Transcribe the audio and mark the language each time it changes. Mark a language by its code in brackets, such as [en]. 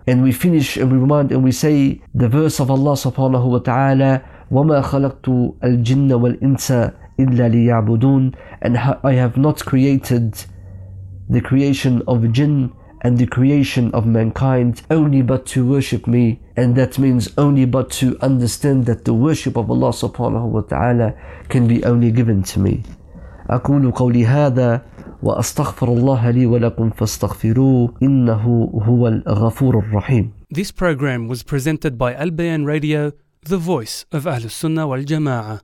[en] And we finish and we remind and we say the verse of Allah subhanahu wa ta'ala, [ar] وَمَا خَلَقْتُ الْجِنَّ وَالْإِنسَ إِلَّا لِيَعْبُدُونَ. [en] And I have not created the creation of jinn and the creation of mankind only but to worship me. And that means only but to understand that the worship of Allah subhanahu wa ta'ala can be only given to me. [ar] أقول قولي هذا وأستغفر الله لي ولكم فاستغفروه إنه هو الغفور الرحيم. [en] This program was presented by Al-Bayan Radio, the voice of Ahlus Sunnah wal Jama'ah.